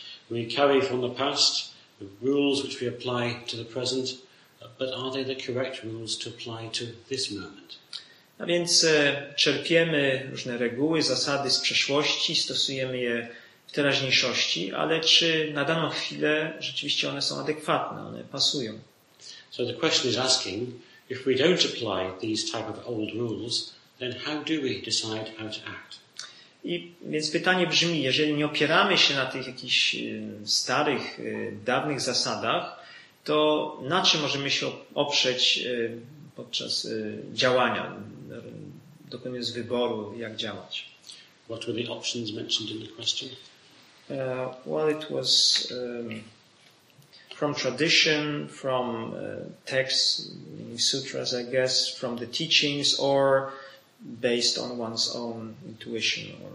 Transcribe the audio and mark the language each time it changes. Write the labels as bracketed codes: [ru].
[en] We carry from the past the rules which we apply to the present, but are they the correct rules to apply to this moment? [pl] A więc czerpiemy różne reguły, zasady z przeszłości, stosujemy je w teraźniejszości, ale czy na daną chwilę rzeczywiście one są adekwatne, one pasują? [en] So the question is asking, if we don't apply these type of old rules, then how do we decide how to act? [pl] I więc pytanie brzmi, jeżeli nie opieramy się na tych jakichś starych, dawnych zasadach, to na czym możemy się oprzeć podczas działania, dokonując wyboru, jak działać? [en] What were the options mentioned in the question? Well, it was from tradition, from texts, sutras, I guess, from the teachings, or based on one's own intuition.